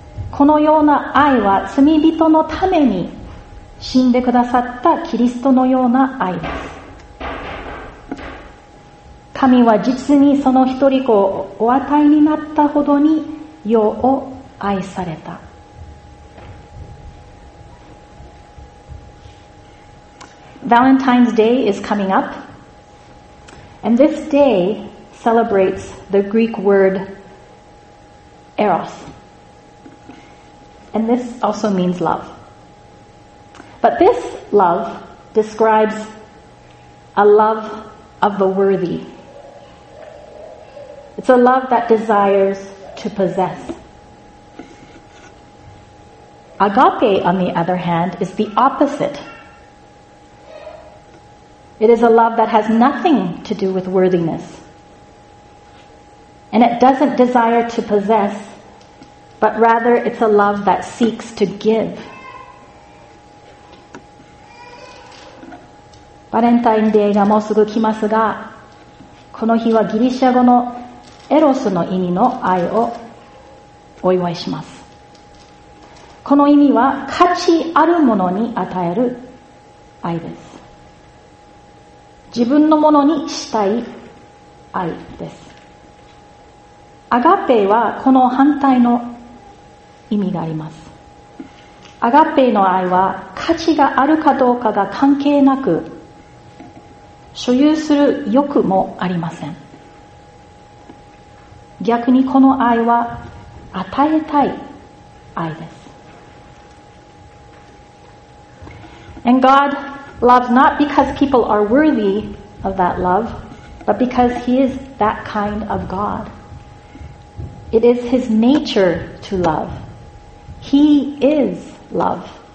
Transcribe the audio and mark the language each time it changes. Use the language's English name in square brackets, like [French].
[Japanese] このような愛は罪人のために死んでくださったキリストのような愛です。神は実にその一人子をお与えになったほどに世を愛された。 [English] Valentine's Day is coming up, and this day celebrates the Greek word eros, and this also means love. But this love describes a love of the worthy. It's a love that desires to possess. Agape, on the other hand, is the opposite. It is a love that has nothing to do with worthiness. And it doesn't desire to possess, but rather it's a love that seeks to give. [Japanese] バレンタインデーがもうすぐ来ますが、この日はギリシャ語のエロスの意味の愛をお祝いします。この意味は価値あるものに与える愛です。自分のものにしたい愛です。アガペはこの反対の意味があります。アガペの愛は価値があるかどうかが関係なく、所有する欲もありません。逆にこの愛は与えたい愛です。 [English] And GodLoves not because people are worthy of that love, but because he is that kind of God. It is his nature to love. He is love.